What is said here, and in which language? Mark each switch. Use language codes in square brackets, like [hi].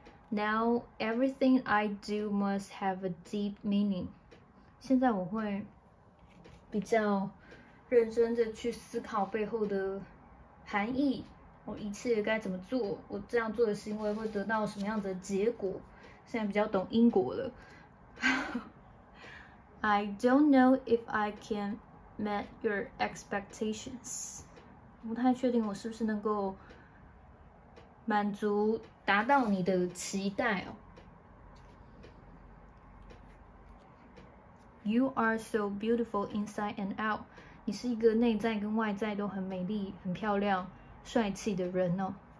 [en] Now everything I do must have a deep meaning. [zh] 现在我会比较认真的去思考背后的含义。我一切该怎么做？我这样做的行为会得到什么样的结果？现在比较懂因果了。 [en] I don't know if I can meet your expectations. [zh] 不太确定我是不是能够满足达到你的期待哦。 [en] You are so beautiful inside and out. [zh] 你是一个内在跟外在都很美丽、很漂亮、帅气的人哦。